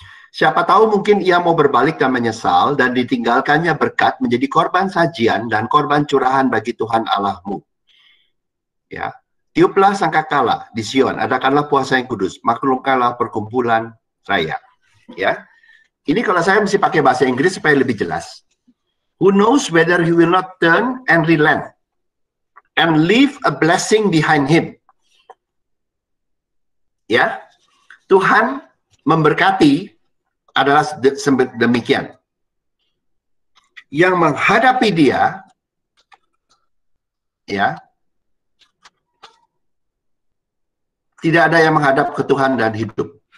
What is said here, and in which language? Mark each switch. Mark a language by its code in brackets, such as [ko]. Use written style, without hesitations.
[id] Siapa tahu mungkin ia mau berbalik dan menyesal dan ditinggalkannya berkat menjadi korban sajian dan korban curahan bagi Tuhan Allahmu. Ya. Tiuplah sangkakala di Sion, adakanlah puasa yang kudus, maklumkanlah perkumpulan raya. Ya. Ini kalau saya mesti pakai bahasa Inggris supaya lebih jelas. [en] Who knows whether he will not turn and relent and leave a blessing behind him. [id] Ya. Tuhan memberkati adalah demikian. Yang menghadapi dia, ya, tidak ada yang menghadap ke Tuhan dan hidup.